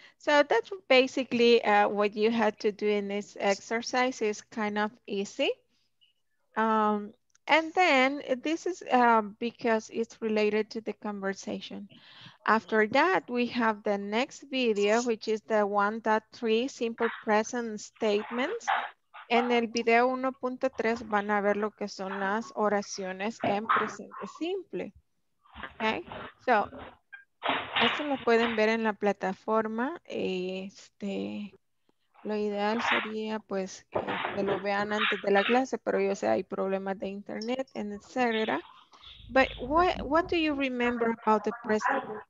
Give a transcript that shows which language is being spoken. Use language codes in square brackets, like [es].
[en] So that's basically what you had to do in this exercise. It's kind of easy. And then this is because it's related to the conversation. After that, we have the next video, which is the 1.3 simple present statements. [es] En el video 1.3 van a ver lo que son las oraciones en presente simple. [en] Okay, so. [es] Esto lo pueden ver en la plataforma. Este, lo ideal sería pues que lo vean antes de la clase, pero yo sé hay problemas de internet, etc. [en] But what do you remember about the present?